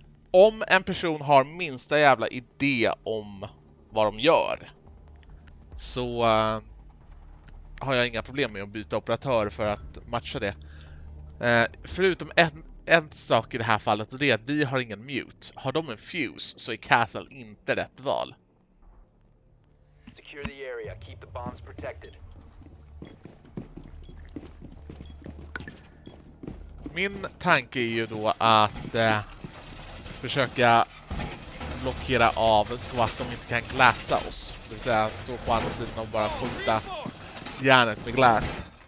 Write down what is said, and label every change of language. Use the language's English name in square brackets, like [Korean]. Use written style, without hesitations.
[Swedish] Om en person har minsta jävla idé om vad de gör, så har jag inga problem med att byta operatör för att matcha det. Förutom en sak i det här fallet, och det är att vi har ingen mute. Har de en fuse så är castle inte rätt val. [English] Secure the area, keep the bombs protected. [Swedish] Min tanke är ju då att försöka blockera av så att de inte kan glassa oss. Det vill säga stå på andra sidan och bara skjuta järnet med glass.